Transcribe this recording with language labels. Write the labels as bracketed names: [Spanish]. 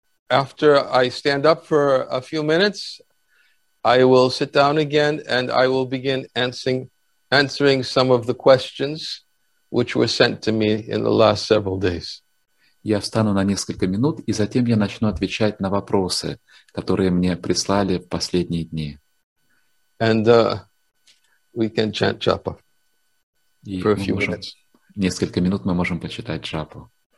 [English] After I stand up for a few minutes, I will sit down again and I will begin answering some of the questions which were sent to me in the last several days. [Russian] Я встану на несколько минут, и затем я начну отвечать на вопросы, которые мне прислали в последние дни. [English] And we can chant japa for a few minutes. [Russian] Несколько минут мы можем почитать джапу.